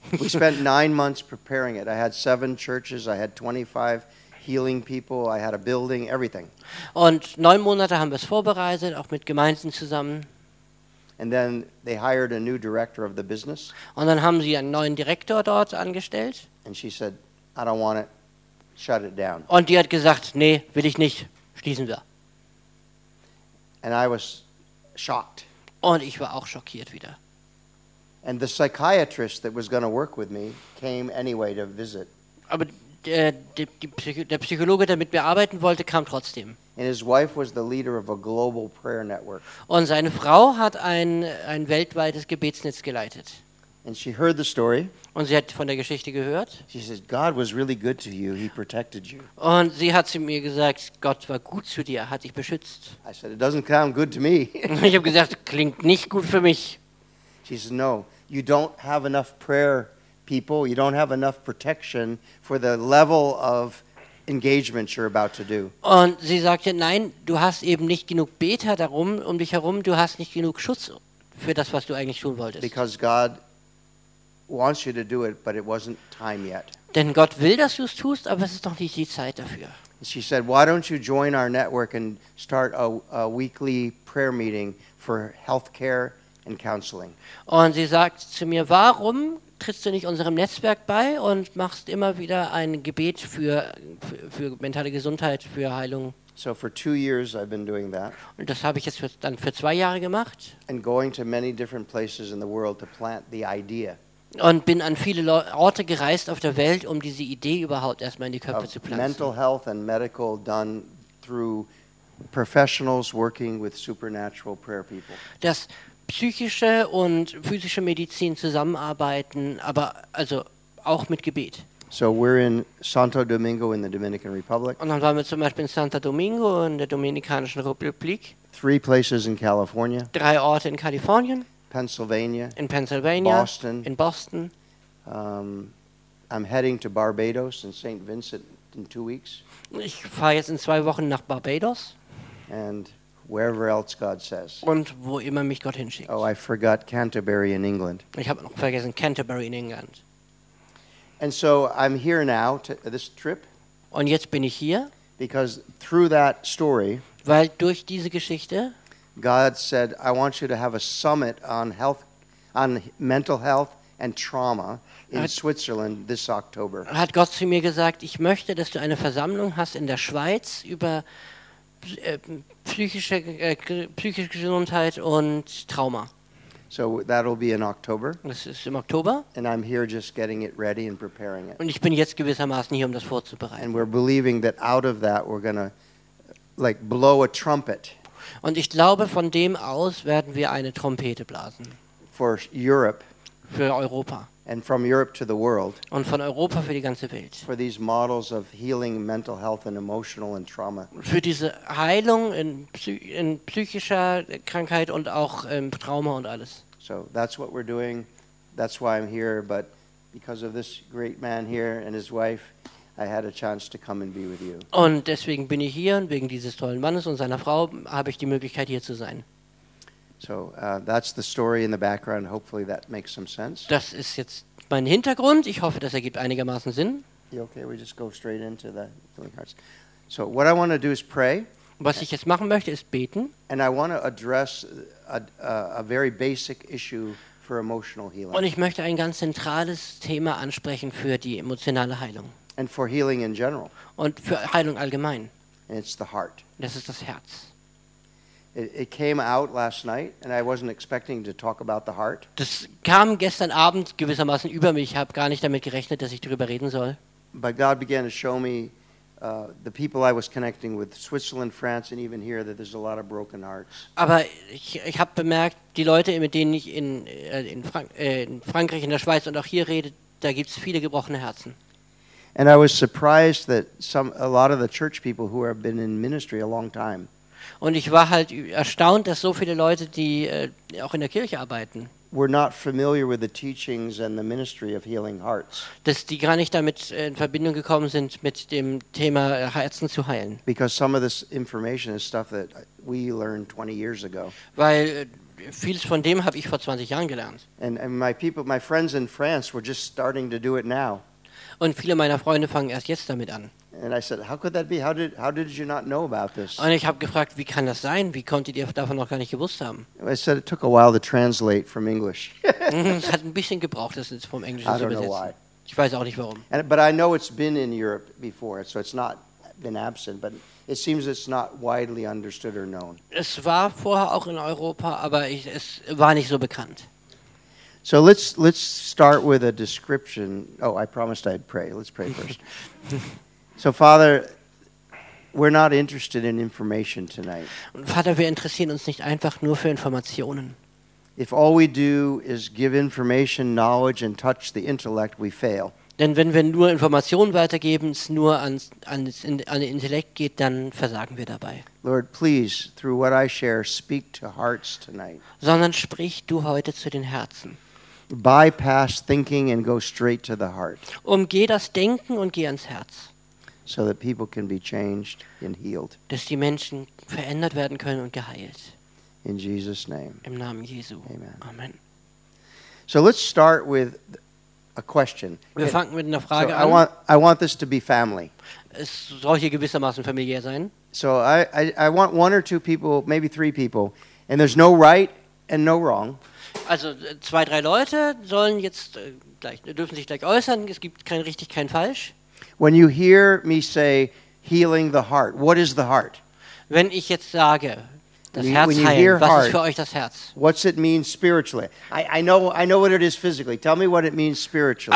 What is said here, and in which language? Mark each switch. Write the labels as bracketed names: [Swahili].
[English] We spent 9 months preparing it. I had 7 churches. I had 25 healing people. I had a building, everything. [German] Und 9 Monate haben wir es vorbereitet, auch mit Gemeinden zusammen. [English] And then they hired a new director of the business. [German] Und dann haben sie einen neuen Direktor dort angestellt. [English] And she said, I don't want it. Shut it down. [German] Und die hat gesagt, nee, will ich nicht. Schließen wir. [English] And I was shocked. [German] Und ich war auch schockiert wieder. [English] And the psychiatrist that was going to work with me came anyway to visit. [German] Aber der Psychologe, der mit mir arbeiten wollte, kam trotzdem. [English] And his wife was the leader of a global prayer network. [German] Und seine Frau hat ein weltweites Gebetsnetz geleitet. [English] And she heard the story. [German] Und sie hat von der Geschichte gehört. [English] She said, God was really good to you. He protected you. [German] Und sie hat zu mir gesagt, Gott war gut zu dir, hat dich beschützt. [English] I said, it doesn't sound good to me. [German] Ich habe gesagt, klingt nicht gut für mich. [English] She said, no, you don't have enough prayer people. You don't have enough protection for the level of engagement you're about to do. [German] Und sie sagte, nein, du hast eben nicht genug Beter darum um dich herum. Du hast nicht genug Schutz für das, was du eigentlich tun wolltest. [English] Because God wants you to do it, but it wasn't time yet. [German] Denn Gott will, dass du es tust, aber es ist noch nicht die Zeit dafür. [English] She said, "Why don't you join our network and start a weekly prayer meeting for healthcare and counseling?" [German] Und sie sagt zu mir, warum trittst du nicht unserem Netzwerk bei und machst immer wieder ein Gebet für mentale Gesundheit, für Heilung? [English] So for 2 years I've been doing that. [German] Und das habe ich jetzt dann für 2 Jahre gemacht. [English] And going to many different places in the world to plant the idea. [German] Und bin an viele Orte gereist auf der Welt, um diese Idee überhaupt erstmal in die Köpfe zu pflanzen. [English] Mental health and medical done through professionals working with supernatural prayer people. [German] Dass psychische und physische Medizin zusammenarbeiten, aber also auch mit Gebet. [English] So we're in Santo Domingo in the Dominican Republic. [German] Und dann waren wir zum Beispiel in Santo Domingo in der Dominikanischen Republik. [English] 3 places in California. [German] 3 Orte in Kalifornien. [English] Pennsylvania, [German] in Pennsylvania, [English] Boston, [German] in Boston. [English] I'm heading to Barbados and St. Vincent in 2 weeks. [German] Ich fahre jetzt in 2 Wochen nach Barbados. [English] And wherever else God says. [German] Und wo immer mich Gott hinschickt. [English] Oh, I forgot Canterbury in England. [German] Ich habe noch vergessen Canterbury in England. [English] And so I'm here now to this trip. [German] Und jetzt bin ich hier. [English] Because through that story. [German] Weil durch diese Geschichte. [English] God said, I want you to have a summit on health, on mental health and trauma in Switzerland this October. [German] Hat Gott zu mir gesagt, ich möchte, dass du eine Versammlung hast in der Schweiz über psychische Gesundheit und Trauma. [English] So that'll be in October. [German] Das ist im Oktober. [English] And I'm here just getting it ready and preparing it. [German] Und ich bin jetzt gewissermaßen hier, um das vorzubereiten. [English] And we're believing that out of that we're going to like blow a trumpet. [German] Und ich glaube, von dem aus werden wir eine Trompete blasen. [English] For Europe. [German] Für Europa. [English] And from Europe to the world. [German] Und von Europa für die ganze Welt. [English] For these models of healing, mental health and emotional and trauma. [German] Für diese Heilung in psychischer Krankheit und auch Trauma und alles. [English] So that's what we're doing. That's why I'm here. But because of this great man here and his wife, I had a chance to come and be with you. [German] Und deswegen bin ich hier und wegen dieses tollen Mannes und seiner Frau habe ich die Möglichkeit hier zu sein. [English] So, that's the story in the background. Hopefully that makes some sense. [German] Das ist jetzt mein Hintergrund. Ich hoffe, das ergibt einigermaßen Sinn. [English] Okay, we just go straight into the healing hearts. So, what I want to do is pray. [German] Was ich jetzt machen möchte, ist beten. [English] And I want to address a very basic issue for emotional healing. [German] Und ich möchte ein ganz zentrales Thema ansprechen für die emotionale Heilung. [English] And for healing in general. [German] Und für Heilung allgemein. [English] And it's the heart. [German] Das ist das Herz. [English] It came out last night, and I wasn't expecting to talk about the heart. [German] Das kam gestern Abend gewissermaßen über mich. Ich habe gar nicht damit gerechnet, dass ich darüber reden soll. [English] But God began to show me the people I was connecting with, Switzerland, France, and even here, that there's a lot of broken hearts. [German] Aber ich habe bemerkt, die Leute, mit denen ich in Frankreich, in der Schweiz und auch hier rede, da gibt's viele gebrochene Herzen. [English] And I was surprised that a lot of the church people who have been in ministry a long time. [German] Und ich war halt erstaunt, dass so viele Leute, die auch in der Kirche arbeiten, [English] were not familiar with the teachings and the ministry of healing hearts. [German] Dass die gar nicht damit in Verbindung gekommen sind mit dem Thema Herzen zu heilen. [English] Because some of this information is stuff that we learned 20 years ago. [German] Weil vieles von dem habe ich vor 20 Jahren gelernt. [English] And my people, my friends in France were just starting to do it now. [German] Und viele meiner Freunde fangen erst jetzt damit an. [English] And I said, how could that be? How did you not know about this? [German] Und ich habe gefragt, wie kann das sein? Wie konntet ihr davon noch gar nicht gewusst haben? [English] I said it took a while to translate from English. [German] Es hat ein bisschen gebraucht, das vom Englischen zu übersetzen. [English] I don't know why. [German] Ich weiß auch nicht warum. [English] But I know it's been in Europe before, so it's not been absent, but it seems it's not widely understood or known. [German] Es war vorher auch in Europa, aber es war nicht so bekannt. [English] So let's start with a description. Oh, I promised I'd pray. Let's pray first. So Father, we're not interested in information tonight. [German] Und Vater, wir interessieren uns nicht einfach nur für Informationen. [English] If all we do is give information, knowledge and touch the intellect, we fail. [German] Denn wenn wir nur Informationen weitergeben, es nur an den Intellekt geht, dann versagen wir dabei. [English] Lord, please, through what I share, speak to hearts tonight. [German] Sondern sprich du heute zu den Herzen. [English] Bypass thinking and go straight to the heart. [German] Umgeh das Denken und geh ans Herz. [English] So that people can be changed and healed. [German] Dass die Menschen verändert werden können und geheilt. [English] In Jesus' name. [German] Im Namen Jesu. [English] Amen. [German] Amen. [English] So let's start with a question. [German] Wir fangen mit einer Frage [English] an. I want this to be family. [German] Es soll hier gewissermaßen familiär sein. [English] So I want one or two people, maybe three people, and there's no right and no wrong. [German] Also zwei, drei Leute sollen jetzt gleich, dürfen sich gleich äußern. Es gibt kein richtig, kein falsch. [English] When you hear me say healing the heart, what is the heart? [German] Wenn ich jetzt sage, das Herz heilen, was heart, ist für euch das Herz? [English] What's it mean spiritually? I know what it is physically. Tell me what it means spiritually.